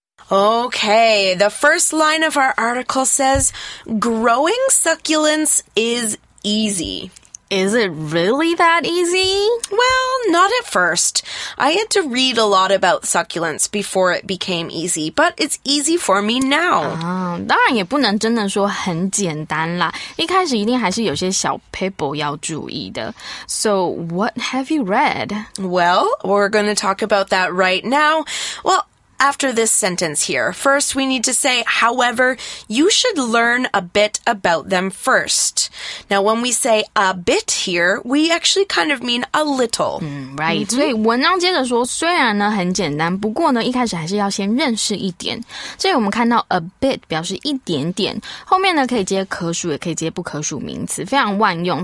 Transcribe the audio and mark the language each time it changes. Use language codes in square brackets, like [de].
[en] Okay, the first line of our article says, growing succulents is easy. Is it really that easy? Well, not at first. I had to read a lot about succulents before it became easy, but it's easy for me now. [zh] 当然也不能真的说很简单啦。一开始一定还是有些小 people 要注意的。 [en] So, what have you read? Well, we're going to talk about that right now. Well,After this sentence here, first we need to say, however, you should learn a bit about them first. Now, when we say a bit here, we actually kind of mean a little. Right. [zh] 所以文章接着说，虽然呢很简单，不过呢一开始还是要先认识一点。所以我们看到 a bit 表示一点点，后面呢可以接可数，也可以接不可数名词，非常万用。